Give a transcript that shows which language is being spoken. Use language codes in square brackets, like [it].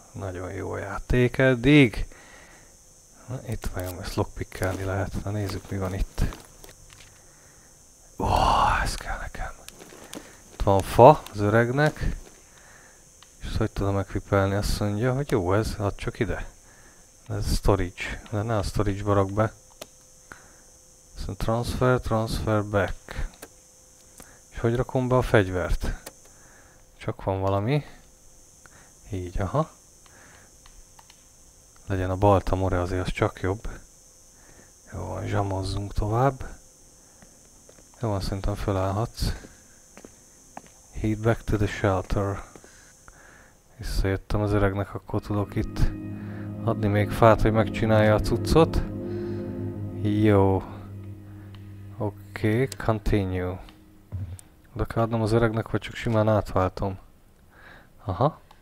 [hu] Nagyon jó játék eddig. Na, itt vajon ezt lockpickelni lehet. Na, nézzük, mi van itt. Ó, ez kell nekem. Itt van fa az öregnek. És hogy tudom equipelni? Azt mondja, hogy jó ez, hadd csak ide. Ez storage. De ne a storage-ba rak be. [en] Azt transfer, transfer back. [hu] És hogy rakom be a fegyvert? Csak van valami. Így, aha. Legyen a Baltamore, azért az csak jobb. Jó, zsamozzunk tovább. Jó, azt szerintem fölállhatsz. [en] Head back to the shelter. [hu] Visszajöttem az öregnek, akkor tudok itt adni még fát, hogy megcsinálja a cuccot. Jó. Oké, continue. Oda kell adnom az öregnek, vagy csak simán átváltom. Aha.